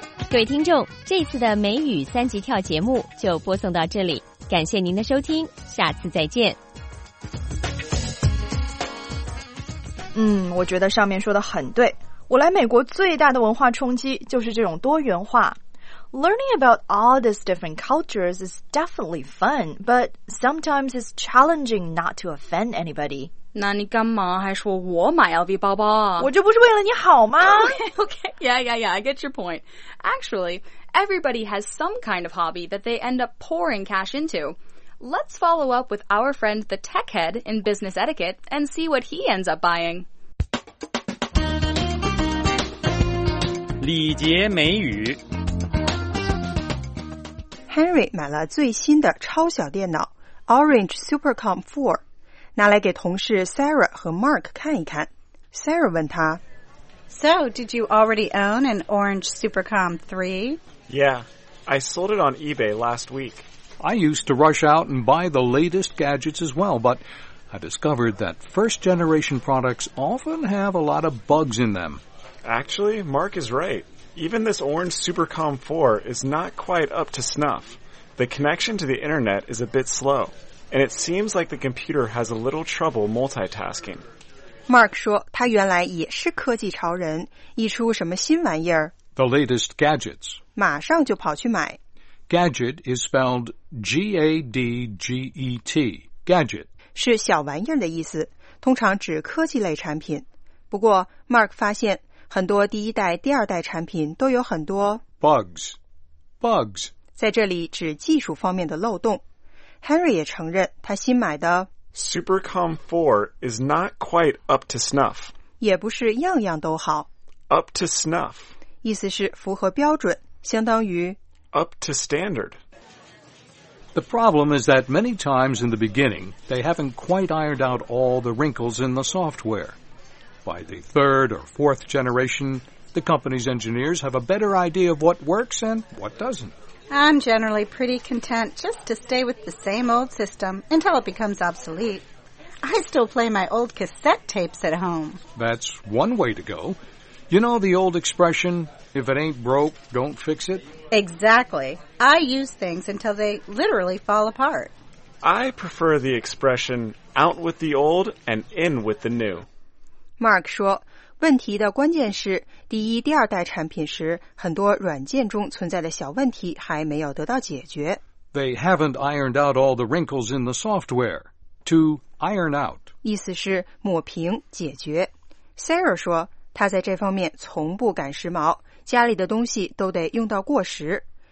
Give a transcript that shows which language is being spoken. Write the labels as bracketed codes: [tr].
[zh] 各位听众，这次的美语三级跳节目就播送到这里，感谢您的收听，下次再见。嗯，我觉得上面说的很对。我来美国最大的文化冲击就是这种多元化。 [en] Learning about all these different cultures is definitely fun, but sometimes it's challenging not to offend anybody. [zh] 那你干嘛还说我买 LV 包包啊？我这不是为了你好吗 [en] ？Okay, yeah, I get your point. Actually, everybody has some kind of hobby that they end up pouring cash into. Let's follow up with our friend the tech head in business etiquette and see what he ends up buying. [zh] 礼节美语 Henry 买了最新的超小电脑 Orange Supercom 4 拿来给同事 Sarah 和 Mark 看一看 Sarah 问他 [en] So, did you already own an Orange Supercom 3? Yeah, I sold it on eBay last week. I used to rush out and buy the latest gadgets as well, but I discovered that first-generation products often have a lot of bugs in them. Actually, Mark is right. Even this Orange Supercom 4 is not quite up to snuff. The connection to the internet is a bit slow, and it seems like the computer has a little trouble multitasking. [zh] Mark 说他原来也是科技潮人，一出什么新玩意儿 [en] The latest gadgets. [zh] 马上就跑去买。 [en] Gadget is spelled G-A-D-G-E-T, gadget. [zh] 是小玩意儿的意思，通常指科技类产品。不过 ,Mark 发现很多第一代、第二代产品都有很多 [en] bugs. [zh] 在这里指技术方面的漏洞。 Henry 也承认他新买的 [en] Supercom 4 is not quite up to snuff. [zh] 也不是样样都好。 [en] Up to snuff. [zh] 意思是符合标准，相当于 [en] Up to standard. The problem is that many times in the beginning, they haven't quite ironed out all the wrinkles in the software. By the third or fourth generation, the company's engineers have a better idea of what works and what doesn't. I'm generally pretty content just to stay with the same old system until it becomes obsolete. I still play my old cassette tapes at home. That's one way to go. You know the old expression, if it ain't broke, don't fix it? Exactly. I use things until they literally fall apart. I prefer the expression, out with the old and in with the new. [zh] Mark 说，问题的关键是，第一、第二代产品时，很多软件中存在的小问题还没有得到解决。 [en] They haven't ironed out all the wrinkles in the software. To iron out. [zh] 意思是抹平、解决。 Sarah 说，他在这方面从不赶时髦，家里的东西都得用到过时。